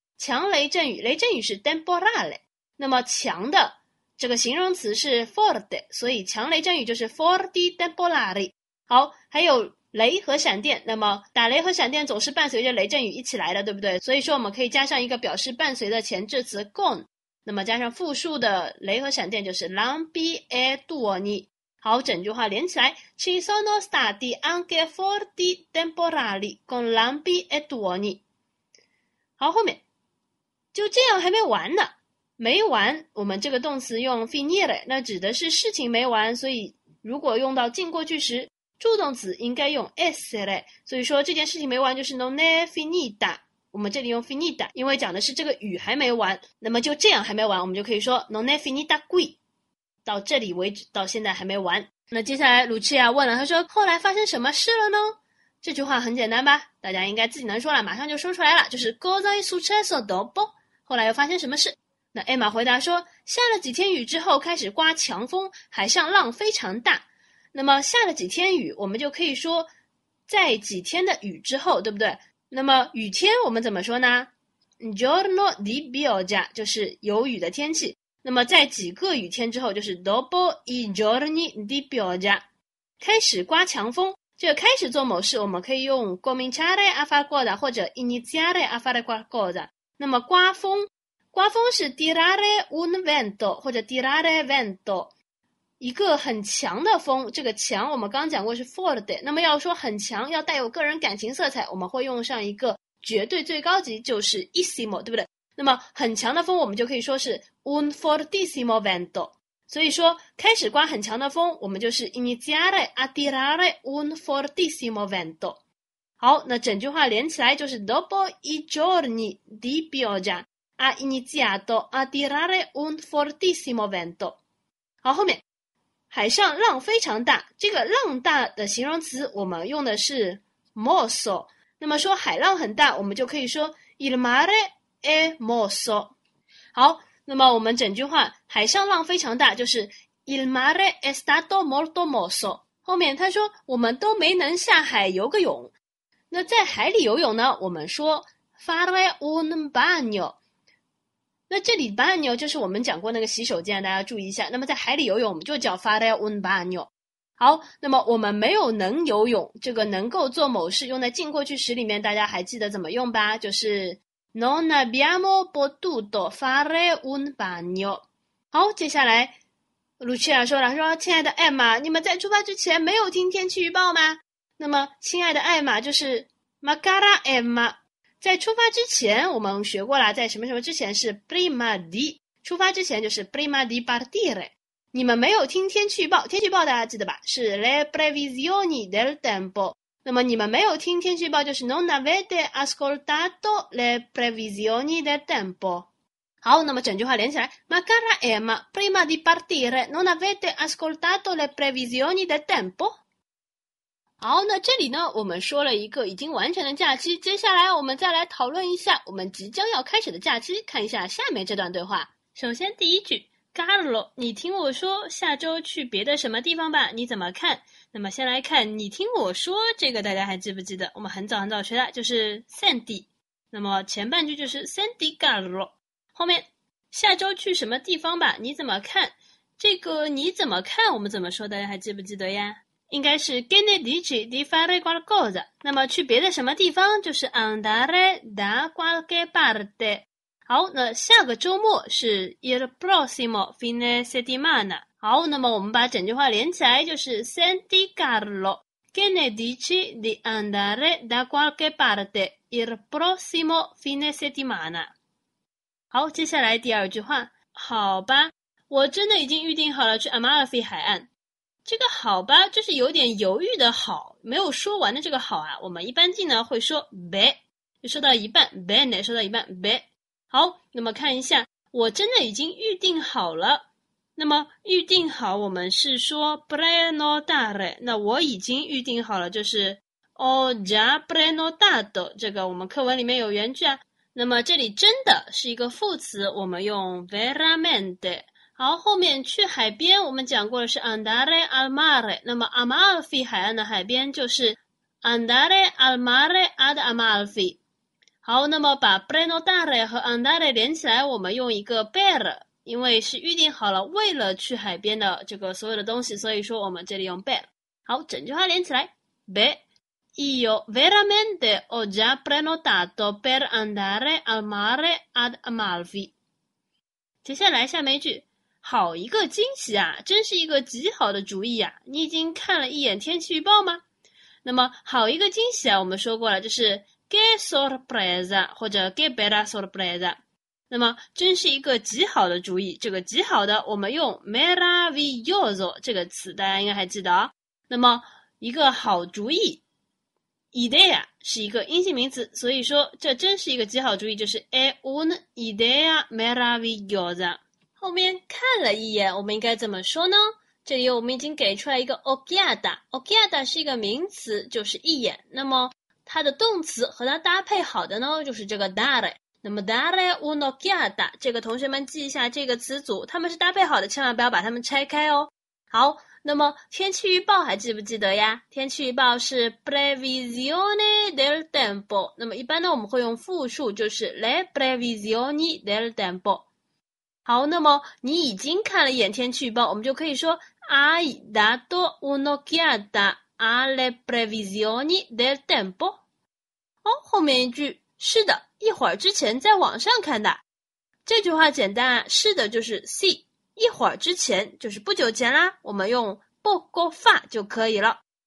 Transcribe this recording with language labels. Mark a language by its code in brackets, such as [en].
[zh] 强雷阵雨，雷阵雨是 temporale， 那么强的这个形容词是 forte， 所以强雷阵雨就是 [it] forti temporali。 [zh] 好，还有雷和闪电，那么打雷和闪电总是伴随着雷阵雨一起来的，对不对？所以说我们可以加上一个表示伴随的前置词 con， 那么加上复数的雷和闪电就是 [it] lampi e duoni。 [zh] 好，整句话连起来 [it] ci sono stati anche forti temporali con lampi e duoni。 [zh] 好，后面就这样还没完呢。没完，我们这个动词用 finire， 那指的是事情没完，所以如果用到近过去时，助动词应该用 essere， 所以说这件事情没完就是 [it] non è finita。 [zh] 我们这里用 finita， 因为讲的是这个雨还没完，那么就这样还没完，我们就可以说 [it] non è finita qui， [zh] 到这里为止，到现在还没完。那接下来卢奇亚问了，他说后来发生什么事了呢？这句话很简单吧，大家应该自己能说了，马上就说出来了，就是 [it] cosa è successo dopo， [zh] 后来又发生什么事。那 Emma 回答说，下了几天雨之后开始刮强风，海上浪非常大。那么下了几天雨，我们就可以说在几天的雨之后，对不对？那么雨天我们怎么说呢？ [it] giorno di pioggia [zh] 就是有雨的天气。那么在几个雨天之后就是 [it] dopo i giorni di pioggia， [zh] 开始刮强风。这个开始做某事我们可以用 [it] cominciare a far cosa [zh] 或者 [it] iniziare a fare qualcosa。 [zh] 那么刮风，刮风是 [it] tirare un vento [zh] 或者 [it] tirare vento， [zh] 一个很强的风，这个强我们刚讲过是 forte， 那么要说很强要带有个人感情色彩，我们会用上一个绝对最高级，就是 issimo， 对不对？那么很强的风我们就可以说是 [it] un fortissimo vento， [zh] 所以说开始刮很强的风我们就是 [it] iniziare a tirare un fortissimo vento。 [zh] 好，那整句话连起来就是 [it] dopo i giorni di pioggia ha iniziato a tirare un fortissimo vento。 [zh] 好，后面海上浪非常大，这个浪大的形容词我们用的是 mosso， 那么说海浪很大我们就可以说 [it] il mare è mosso。 [zh] 好，那么我们整句话海上浪非常大就是 [it] il mare è stato molto mosso。 [zh] 后面他说我们都没能下海游个泳。那在海里游泳呢，我们说 [it] fare un bagno。 [zh] 那这里 bagno 就是我们讲过那个洗手间，大家注意一下。那么在海里游泳我们就叫 [it] fare un bagno。 [zh] 好，那么我们没有能游泳，这个能够做某事用在近过去时里面，大家还记得怎么用吧？就是 [it] non abbiamo potuto fare un bagno。 [zh] 好，接下来 Lucia 说了，说亲爱的艾玛，你们在出发之前没有听天气预报吗？那么亲爱的艾玛就是 [it] ma cara Emma， [zh] 在出发之前我们学过了，在什么什么之前是 [it] prima di， [zh] 出发之前就是 [it] prima di partire。 [zh] 你们没有听天气预报，天气预报大家记得吧，是 [it] le previsioni del tempo。 [zh] 那么你们没有听天气预报就是 [it] non avete ascoltato le previsioni del tempo。 [zh] 好，那么整句话连起来。 [it] Ma cara Emma, prima di partire, non avete ascoltato le previsioni del tempo? [zh] 好，那这里呢，我们说了一个已经完成的假期，接下来我们再来讨论一下我们即将要开始的假期，看一下下面这段对话。首先第一句，Carlo，你听我说，下周去别的什么地方吧？你怎么看？那么先来看，你听我说，这个大家还记不记得？我们很早很早学的，就是 Sandy。那么前半句就是 Sandy Carlo，后面下周去什么地方吧？你怎么看？这个你怎么看？我们怎么说？大家还记不记得呀？应该是 [it] che ne dici di fare qualcosa。 [zh] 那么去别的什么地方就是 [it] andare da qualche parte。 [zh] 好，那下个周末是 [it] il prossimo fine settimana。 [zh] 好，那么我们把整句话连起来就是 [it] Senti Carlo, che ne dici di andare da qualche parte il prossimo fine settimana? [zh] 好，接下来第二句话，好吧，我真的已经预定好了去 Amalfi 海岸。这个好吧，就是有点犹豫的好，没有说完的这个好啊。我们一般进呢会说 be, 就说到一半 bene, 说到一半 be。好，那么看一下，我真的已经预定好了。那么预定好，我们是说 prenotare。那我已经预定好了，就是 [it] ho già prenotato。 [zh] 这个我们课文里面有原句啊。那么这里真的是一个副词，我们用 veramente。好，后面去海边，我们讲过的是 [it] andare al mare。 [zh] 那么 Amalfi 海岸的海边就是 [it] andare al mare ad Amalfi。 [zh] 好，那么把 prenotare 和 andare 连起来，我们用一个 per，因为是预定好了，为了去海边的这个所有的东西，所以说我们这里用 be。好，整句话连起来， [it] be io veramente ho già prenotato per andare al mare ad Amalfi。 [zh] 接下来下面一句，好一个惊喜啊，真是一个极好的主意啊！你已经看了一眼天气预报吗？那么好一个惊喜啊，我们说过了，就是 [it] che sorpresa [zh] 或者 [it] che bella sorpresa。 [zh] 那么，真是一个极好的主意。这个极好的，我们用 meraviglioso 这个词，大家应该还记得啊。那么，一个好主意 idea 是一个阴性名词，所以说这真是一个极好主意，就是 [it] è un'idea meravigliosa。 [zh] 后面看了一眼，我们应该怎么说呢？这里我们已经给出来一个 occhiata，occhiata 是一个名词，就是一眼。那么它的动词和它搭配好的呢，就是这个 dare。那么 [it] dare un'occhiata [zh] 这个同学们记一下这个词组，他们是搭配好的，千万不要把它们拆开哦。好，那么天气预报还记不记得呀？天气预报是 [it] previsione del tempo。 [zh] 那么一般呢，我们会用复数，就是 [it] le previsioni del tempo。 [zh] 好，那么你已经看了一眼天气预报，我们就可以说 [it] hai dato un'occhiata alle previsioni del tempo。 [zh] 哦，后面一句是的。一会儿之前在网上看的，这句话简单啊，是的就是 si， 一会儿之前就是不久前啦，我们用 [it] poco fa [zh] 就可以了。